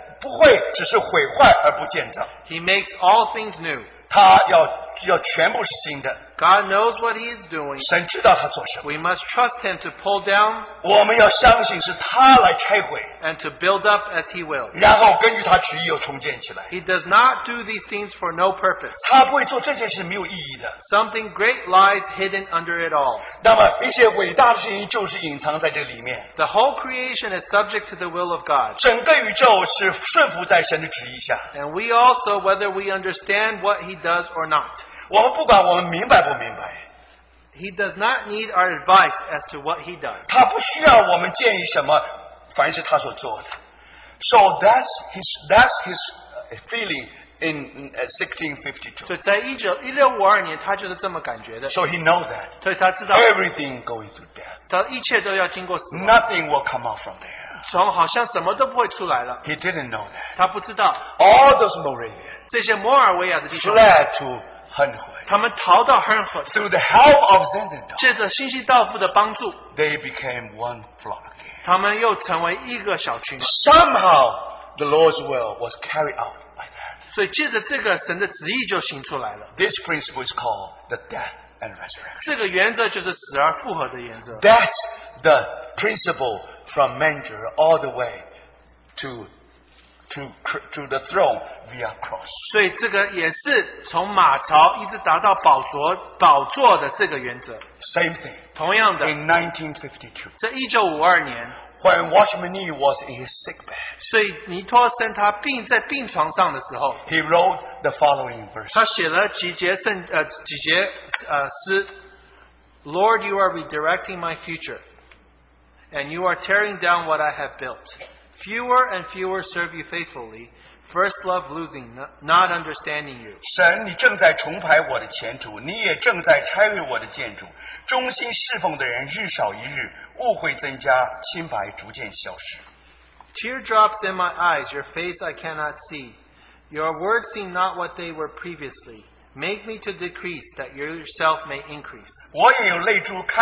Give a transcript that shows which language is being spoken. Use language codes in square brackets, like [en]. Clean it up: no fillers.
[zh] 神不会只是毁坏而不建造。 [en] He makes all things new. [zh] 他要全部是新的。 [en] God knows what He is doing. [zh] 神知道他做什么。 [en] We must trust Him to pull down. [zh] 我们要相信是他来拆毁。 [en] And to build up as He will. [zh] 然后根据他旨意又重建起来。 [en] He does not do these things for no purpose. [zh] 他不会做这件事没有意义的。 [en] Something great lies hidden under it all. [zh] 那么一些伟大的事情就是隐藏在这里面。 [en] The whole creation is subject to the will of God. [zh] 整个宇宙是顺服在神的旨意下。 [en] And we also, whether we understand what He does or not. [zh] 我们不管我们明白不明白, [en] He does not need our advice as to what He does. [zh] 他不需要我们建议什么，凡是他所做的。 [en] So that's his feeling in 1652. [zh] 1652年他就是这么感觉的。 [en] So he knows that. [zh] 所以他知道, [en] everything going through death. [zh] 他一切都要经过死亡。 [en] Nothing will come out from there. [zh] 从好像什么都不会出来了。 [en] He didn't know that. [zh] 他不知道。 [en] All those Moravians fled to [zh] 他们逃到恨河, [en] through the help of Zinzendal, they became one flock again. Somehow, the Lord's will was carried out like that. This principle is called the death and resurrection. That's the principle from manger all the way to the throne via cross. [zh] 所以这个也是从马槽一直达到宝座的这个原则。 [en] Same thing. [zh] 同样的, [en] in 1952. [zh] 在1952年, [en] when Watchman Nee was in his sickbed. [zh] 所以尼托森他病在病床上的时候, [en] he wrote the following verse. [zh] 他写了几节诗, [en] Lord, you are redirecting my future, and you are tearing down what I have built. Fewer and fewer serve you faithfully. First love losing, not understanding you. [zh] 神，你正在重排我的前途，你也正在拆毁我的建筑。忠心侍奉的人日少一日，误会增加，清白逐渐消失。 [en] Teardrops in my eyes, your face I cannot see. Your words seem not what they were previously. Make me to decrease, that yourself may increase.